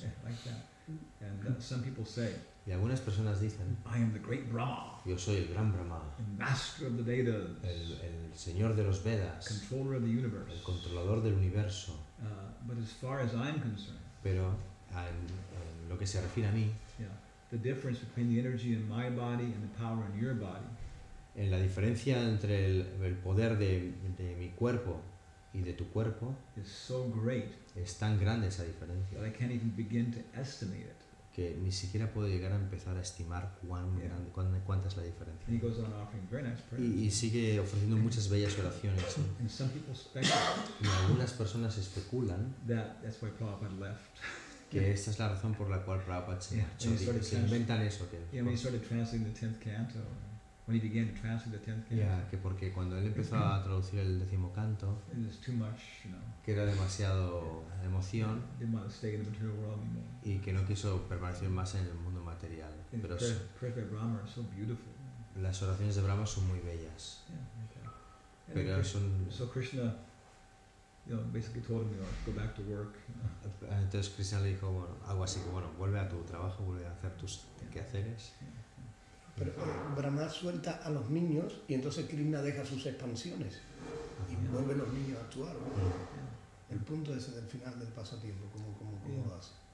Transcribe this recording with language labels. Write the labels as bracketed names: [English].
[English] Yeah, like that. And some people say, [Spanish] y algunas personas dicen, [English] I am the great Brahma, [Spanish] yo soy el gran Brahma, [English] the master of the Vedas, [Spanish] el señor de los Vedas, [English] controller of the universe, [Spanish] el controlador del universo. [English] But as far as I'm concerned, [Spanish] pero en lo que se refiere a mí, [English] yeah, the difference between the energy in my body and the power in your body. [Spanish] En la diferencia entre el poder de mi cuerpo y de tu cuerpo [English] is so great, [Spanish] es tan grande esa diferencia, [English] that I can't even begin to estimate it. [Spanish] Que ni siquiera puedo llegar a empezar a estimar cuán grande, cuánta es la diferencia. [English] And he goes on offering very nice prayers. [Spanish] Y sigue ofreciendo muchas bellas oraciones. [English] And some people speculate, [Spanish] y algunas personas especulan [English] that's why Prabhupada left. [Spanish] Que esta es la razón por la cual Prabhupada se marchó. Se inventan eso. [English] Y started translating the 10th canto. When he began to translate the 10th canto. [Spanish] Yeah, que porque cuando él empezó a traducir el décimo canto, [English] it was too much, you know, [Spanish] que era demasiado emoción, [English] didn't want to stay in the material world anymore. [Spanish] Y que no quiso permanecer más en el mundo material. [English] And [Spanish] pero [English] prayers of Brahma are so beautiful. [Spanish] Las oraciones de Brahma son muy bellas. [English] Yeah, okay. [Spanish] Pero son. [English] So Krishna, you know, basically told him, you know, go back to work. You know. [Spanish] Entonces Krishna le dijo, bueno, algo así como, bueno, vuelve a tu trabajo, vuelve a hacer tus quehaceres. Pero Brahma suelta a los niños y entonces Krishna deja sus expansiones y vuelve los niños a actuar. El punto ese del final del pasatiempo, cómo lo hace.